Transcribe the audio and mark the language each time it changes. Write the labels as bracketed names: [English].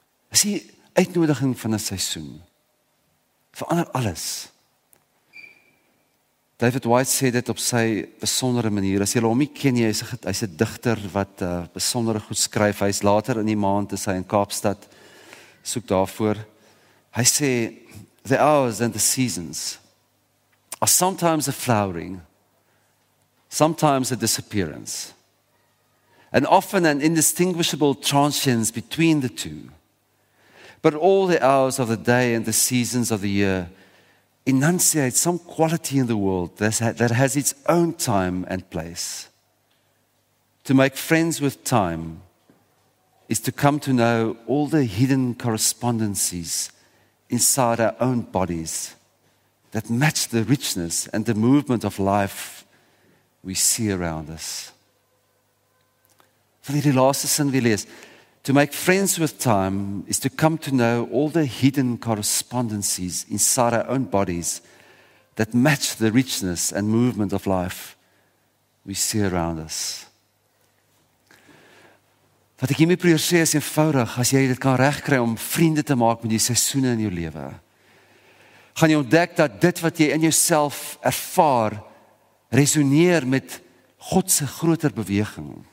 [Afrikaans] Is die uitnodiging van 'n seisoen? Verander alles. David White sê dit op sy besondere manier. As jy hom nie ken, hy is 'n digter wat besondere goed skryf. Hy is later in die maand, is hy in Kaapstad, soek daarvoor. Hy sê, [English] the hours and the seasons are sometimes a flowering, sometimes a disappearance, and often an indistinguishable transience between the two. But all the hours of the day and the seasons of the year enunciate some quality in the world that has its own time and place. To make friends with time is to come to know all the hidden correspondences inside our own bodies that match the richness and the movement of life we see around us. [Afrikaans] Vir die laaste sin wie lees, [English] to make friends with time is to come to know all the hidden correspondences inside our own bodies that match the richness and movement of life we see around us. [Afrikaans] Wat ek hiermee probeer sê is eenvoudig, as jy dit kan regkry om vriende te maak met die seisoene in jou lewe, gaan jy ontdek dat dit wat jy in jouself ervaar, resoneer met God se groter beweging.